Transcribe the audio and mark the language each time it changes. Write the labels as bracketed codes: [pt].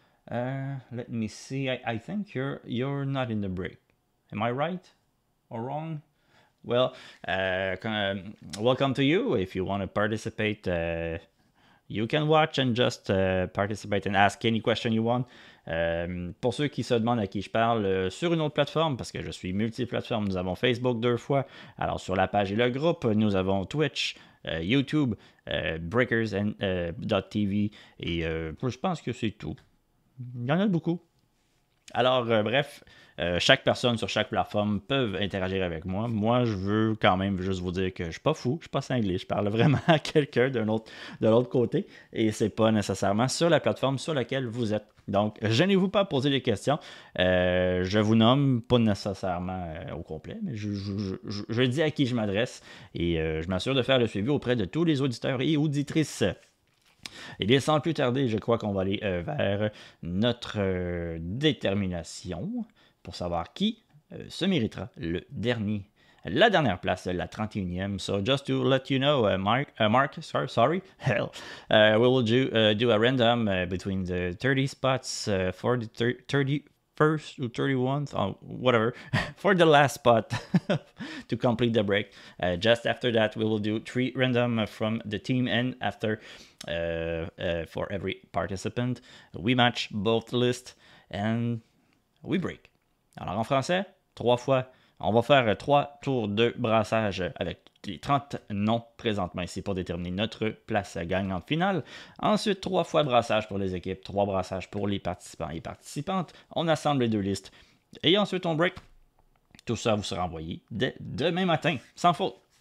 [en] Let me see. I think you're not in the break. Am I right or wrong? Well, welcome to you. If you want to participate... you can watch and just participate and ask any question you want. [fr] Pour ceux qui se demandent à qui je parle, sur une autre plateforme, parce que je suis multiplateforme, nous avons Facebook deux fois. Alors, sur la page et le groupe, nous avons Twitch, YouTube, Breakers and, .tv. Et je pense que c'est tout. Il y en a beaucoup. Alors, bref, chaque personne sur chaque plateforme peut interagir avec moi. Moi, je veux quand même juste vous dire que je suis pas fou, je suis pas cinglé. Je parle vraiment à quelqu'un de l'autre côté et c'est pas nécessairement sur la plateforme sur laquelle vous êtes. Donc, gênez-vous pas à poser des questions. Je vous nomme pas nécessairement au complet, mais je dis à qui je m'adresse et je m'assure de faire le suivi auprès de tous les auditeurs et auditrices. Et bien, sans plus tarder, je crois qu'on va aller vers notre détermination pour savoir qui se méritera le dernier, la dernière place, la 31e. [en] So, just to let you know, we will do a random between the 30 spots for the 31st or 31st, or whatever, for the last spot to complete the break. Just after that, we will do three random from the team, and after, for every participant, we match both lists and we break. [fr] Alors en français, trois fois, on va faire trois tours de brassage avec les 30 noms présentement ici pour déterminer notre place gagnante finale. Ensuite, trois fois brassage pour les équipes, trois brassages pour les participants et participantes. On assemble les deux listes et ensuite on break. Tout ça vous sera envoyé dès demain matin, sans faute.